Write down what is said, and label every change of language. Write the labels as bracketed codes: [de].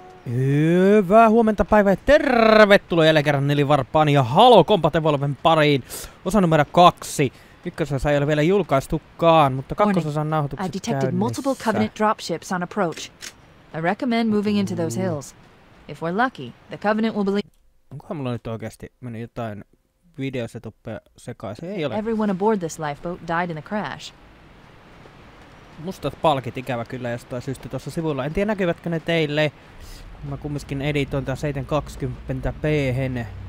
[fi] Hyvää huomenta päivää ja tervetuloa jälleen kerran Nelivarpaan ja Halo Combat Evolven pariin. Osa numero 2. Ykkösosa ei ole vielä julkaistukaan, mutta kakkososan nauhoitukset käynnissä. [en] I've detected multiple Covenant dropships on approach. I recommend moving into those hills. If we're lucky, the Covenant will believe... [fi] Onkohan mulla nyt oikeesti mennyt jotain videosetuppeja sekaisin? Ei ole. [en] Everyone aboard this lifeboat died in the crash. [fi] Mustat palkit ikävä kyllä jostain syystä tuossa sivulla. En tiedä näkyvätkö ne teille. Mä kumminkin editoin tää 720p:hen.